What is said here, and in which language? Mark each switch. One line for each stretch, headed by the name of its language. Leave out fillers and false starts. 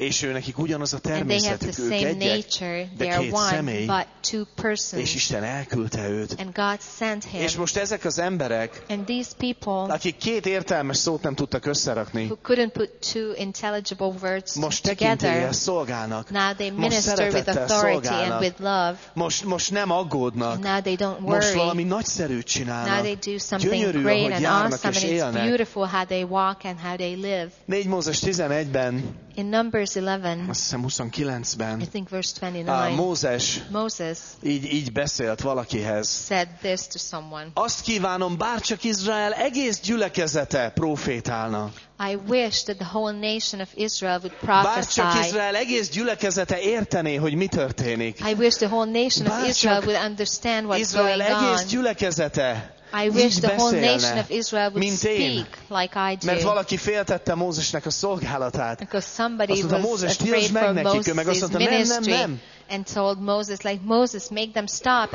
Hungarian: És őnekik ugyanaz a természetük,
English: and they have the same nature.
Hungarian: Egyek,
English: they are one,
Hungarian: személy,
English: but two persons.
Hungarian: És Isten elküldte őt.
English: And God sent him.
Hungarian: És most ezek az emberek,
English: and these people,
Hungarian: akik két értelmes szót nem tudtak összerakni,
English: who couldn't put two intelligible words
Hungarian: most
English: together,
Hungarian: tekintélyes szolgálnak.
English: Now they minister with authority and with love.
Hungarian: Most nem aggódnak.
English: Now they don't worry.
Hungarian: Most valami nagyszerűt csinálnak.
English: Now they do something
Hungarian: gyönyörű,
English: great and awesome,
Hungarian: és
English: and it's beautiful how they walk and how they live.
Hungarian: 4 Mózes 11-ben,
English: in Numbers 11,
Hungarian: azt hiszem 29-ben,
English: I think verse 29,
Hungarian: Mózes így beszélt valakihez.
English: Said this to someone.
Hungarian: Azt kívánom, bárcsak Izrael egész gyülekezete profétálna.
English: I wish that the whole nation of Israel would prophesy.
Hungarian: Bárcsak Izrael egész gyülekezete értené, hogy mi történik.
English: I wish the whole nation of Israel would understand what's
Hungarian: Izrael
English: going on.
Hungarian: Izrael egész gyülekezete
English: I wish the whole nation of Israel would speak like I do.
Hungarian: Mert valaki féltette Mózesnek a szolgálatát.
English: Because somebody was afraid of Moses' ministry. And told Moses, like, Moses, make them stop.